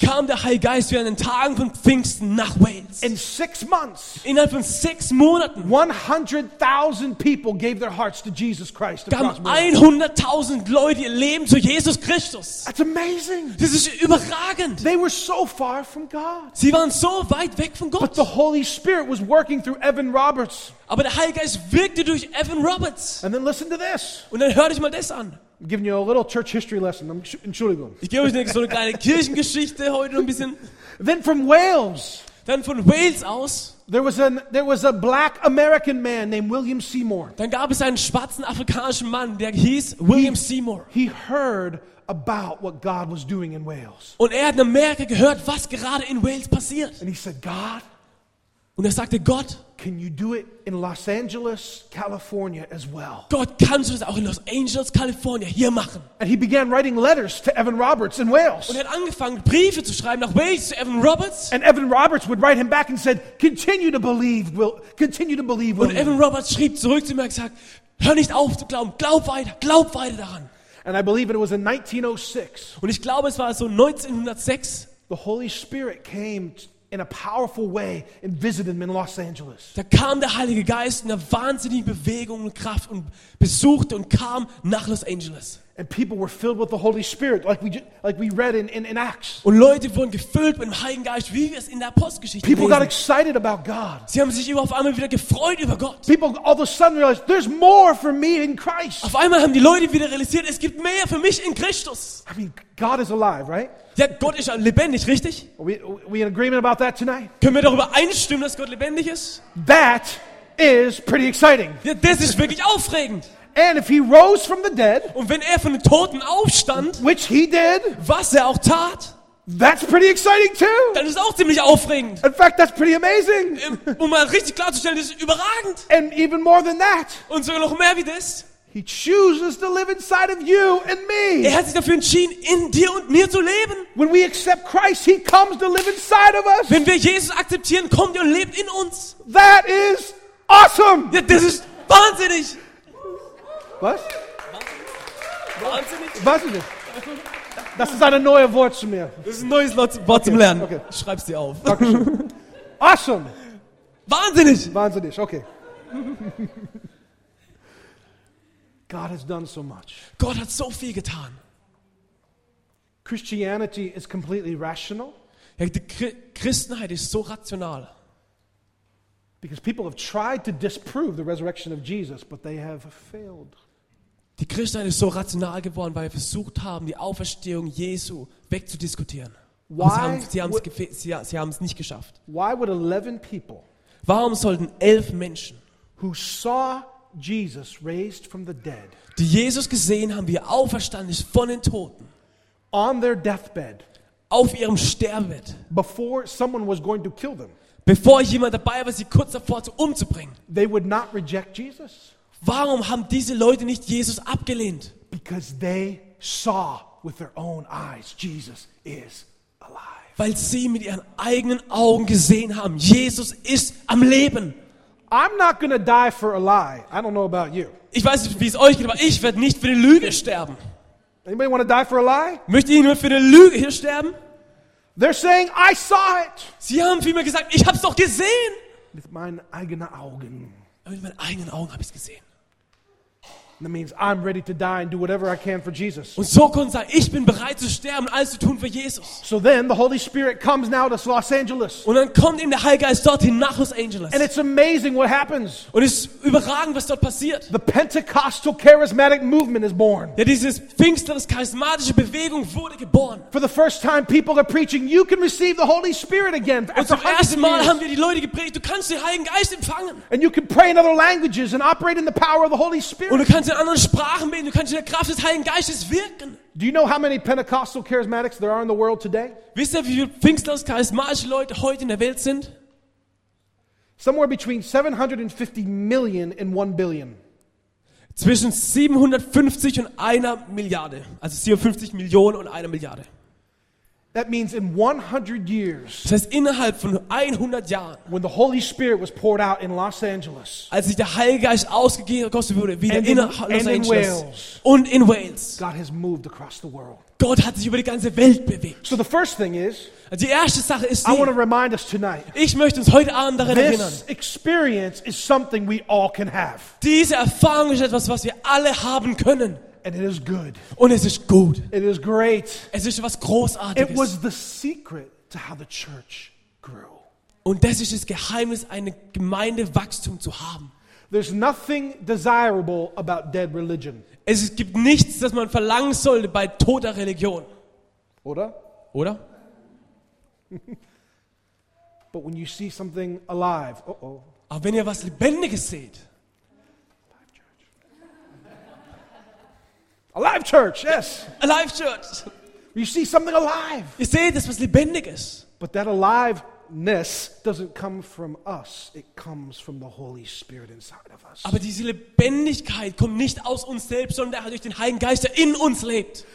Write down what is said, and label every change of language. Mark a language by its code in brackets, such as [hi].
[de] Kam der Heilige Geist wie an den Tagen von Pfingsten nach Wales. [en] In 6 months. [de] Innerhalb von 6 Monaten. [en] 100,000 people gave their hearts to Jesus Christ. [de] Gaben 100,000 Leute ihr Leben zu Jesus Christus. [en] That's amazing. [de] Das ist überragend. [en] They were so far from God. [de] Sie waren so weit weg von Gott. [en] But the Holy Spirit was working through Evan Roberts. [de] Aber der Heilige Geist wirkte durch Evan Roberts. [en] And then listen to this. [de] Und dann hört euch mal das an. [en] I'm giving you a little church history lesson. [de] Entschuldigung. Ich gebe euch so eine kleine Kirchengeschichte heute ein bisschen. [en] Then from Wales. [de] Dann von Wales aus. [en] There was a black American man named William Seymour. [de] Dann gab es einen schwarzen afrikanischen Mann, der hieß William Seymour. [en] He heard about what God was doing in Wales. [de] Und er hat in Amerika gehört, was gerade in Wales passiert. [en] And he said, God. [de] Und er sagte, Gott. [en] Can you do it in Los Angeles, California as well? [de] Gott, kannst du das auch in Los Angeles, California hier machen? [en] And he began writing letters to Evan Roberts in Wales. [de] Und er hat angefangen, Briefe zu schreiben nach Wales zu Evan Roberts. [en] And Evan Roberts would write him back and said, continue to believe, Will. Continue to believe, Will. [de] Und Evan Roberts schrieb zurück zu ihm und sagte, hör nicht auf zu glauben, glaub weiter daran. [en] And I believe it was in 1906. [de] Und ich glaube, es war so 1906. [en] The Holy Spirit came in a powerful way and visited him in Los Angeles. [de] Da kam der Heilige Geist in einer wahnsinnigen Bewegung und Kraft und besuchte und kam nach Los Angeles. [en] And people were filled with the Holy Spirit, like we read in Acts. [de] Und Leute wurden gefüllt mit dem Heiligen Geist, wie wir es in der Apostelgeschichte [en] people [de] lesen. [en] Got excited about God. [de] Sie haben sich auf einmal wieder gefreut über Gott. [en] People all of a sudden realized, there's more for me in Christ. [de] Auf einmal haben die Leute wieder realisiert, es gibt mehr für mich in Christus. [en] I mean, God is alive, right? [de] Ja, Gott ist lebendig, richtig? [en] Are we in agreement about that tonight? [de] Können wir darüber einstimmen, dass Gott lebendig ist? [en] That is pretty exciting. [de] Ja, das ist wirklich aufregend. [en] And if he rose from the dead, [de] und wenn er von den Toten aufstand, [en] which he did, [de] was er auch tat, [en] that's pretty exciting too. [de] Dann ist auch ziemlich aufregend. [en] In fact, that's pretty amazing. [de] Um mal richtig klarzustellen, das ist überragend. [en] And even more than that, [de] und sogar noch mehr wie das, [en] he chooses to live inside of you and me. [de] Er hat sich dafür entschieden, in dir und mir zu leben. [en] When we accept Christ, he comes to live inside of us. [de] Wenn wir Jesus akzeptieren, kommt er und lebt in uns. [en] That is awesome. [de] Ja, das ist wahnsinnig. Was? Wahnsinnig. Wahnsinnig. Das ist ein neues Wort zu mir. Das ist ein neues Wort okay, zum Lernen. Okay. Schreib's dir auf. Dankeschön. Awesome. Wahnsinnig. Wahnsinnig, okay. [en] God has done so much. [de] Gott hat so viel getan. [en] Christianity is completely rational. [de] Ja, die Christenheit ist so rational. [en] Because people have tried to disprove the resurrection of Jesus, but they have failed. [de] Die Christenheit ist so rational geworden, weil wir versucht haben, die Auferstehung Jesu wegzudiskutieren. Sie haben es nicht geschafft. [en] Why would 11 people, [de] warum sollten 11 Menschen, [en] who saw Jesus raised from the dead, [de] die Jesus gesehen haben, wie er auferstanden ist von den Toten, [en] on their deathbed, [de] auf ihrem Sterbebett, [en] before someone was going to kill them, [de] bevor jemand dabei war, sie kurz davor zu umzubringen, [en] they would not reject Jesus? [de] Warum haben diese Leute nicht Jesus abgelehnt? [en] Because they saw with their own eyes, Jesus is alive. [de] Weil sie mit ihren eigenen Augen gesehen haben, Jesus ist am Leben. [en] I'm not gonna die for a lie. I don't know about you. [de] Ich weiß nicht, wie es euch geht, aber ich werde nicht für eine Lüge sterben. [en] Anybody wanna die for a lie? [de] Möchte jemand für eine Lüge hier sterben? [en] They're saying, I saw it. [de] Sie haben vielmehr gesagt, ich habe es doch gesehen. Mit meinen eigenen Augen. Mit meinen eigenen Augen habe ich es gesehen. [en] That means I'm ready to die and do whatever I can for Jesus. [de] Und so konnte sein, ich bin bereit zu sterben und alles zu tun für Jesus. [en] So then the Holy Spirit comes now to Los Angeles. [de] Und dann kommt eben der Heilige Geist dorthin nach Los Angeles. [en] And it's amazing what happens. [de] Und es ist überragend, was dort passiert. [en] The Pentecostal charismatic movement is born. [de] Ja, dieses Pfingstlerisch charismatische Bewegung wurde geboren. [en] For the first time people are preaching, you can receive the Holy Spirit again. [de] Und zum ersten Mal haben wir die Leute gepredigt, du kannst den Heiligen Geist empfangen. [en] And you can pray in other languages and operate in the power of the Holy Spirit. [de] Und du kannst in anderen Sprachen beten, du kannst in der Kraft des Heiligen Geistes wirken. [en] Do you know how many Pentecostal charismatics there are in the world today? [de] Wisst ihr, wie viele Pfingstler charismatische Leute heute in der Welt sind? [en] Somewhere between 750 million and 1 billion. [de] Zwischen 750 und einer Milliarde, also 750 Millionen und einer Milliarde. [en] That means in 100 years. [de] Das heißt innerhalb von 100 Jahren. [en] When the Holy Spirit was poured out in Los Angeles. [de] Als sich der Heilige Geist ausgegossen wurde wieder in Los Angeles. [en] In Wales, [de] und in Wales. [en] God has moved across the world. [de] Gott hat sich über die ganze Welt bewegt. [en] So the first thing is. [de] Die erste Sache ist die. [en] I want to remind us tonight. [de] Ich möchte uns heute Abend daran [en] this [de] erinnern. [en] This experience is something we all can have. [de] Diese Erfahrung ist etwas, was wir alle haben können. [en] And it is good. [de] Und es ist gut. [en] It is great. [de] Es ist was Großartiges. [en] It was the secret to how the church grew. [de] Und das ist das Geheimnis, eine Gemeindewachstum zu haben. [en] There's nothing desirable about dead religion. [de] Es gibt nichts, das man verlangen sollte bei toter Religion. Oder? Oder? [en] But when you see something alive, uh-oh. [de] Aber wenn ihr was Lebendiges seht. [en] Alive church, yes. Alive church. You see something alive. [de] Ihr seht, das was Lebendiges. [en] But that aliveness doesn't come from us. It comes from the Holy Spirit inside of us. [de] Aber diese Lebendigkeit kommt nicht aus uns selbst, sondern durch den Heiligen Geist, der in uns lebt.